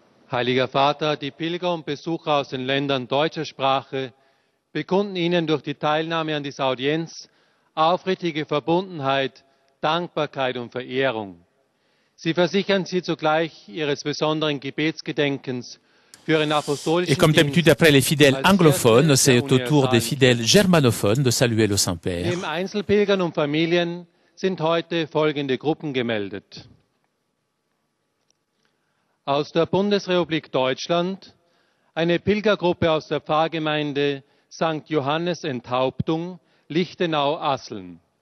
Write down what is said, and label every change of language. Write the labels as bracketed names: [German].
[German] Heiliger Vater, die Pilger und Besucher aus den Ländern deutscher Sprache bekunden Ihnen durch die Teilnahme an dieser Audienz aufrichtige Verbundenheit, Dankbarkeit und Verehrung. Sie versichern Sie zugleich Ihres besonderen Gebetsgedenkens. [French] Et comme d'habitude, après les fidèles anglophones, c'est au Tour des fidèles germanophones de saluer le Saint-Père. [German] Im Einzelpilgern und Familien sind heute folgende Gruppen gemeldet. Aus der Bundesrepublik Deutschland, eine Pilgergruppe aus der Pfarrgemeinde St. Johannes Enthauptung, Lichtenau-Asseln.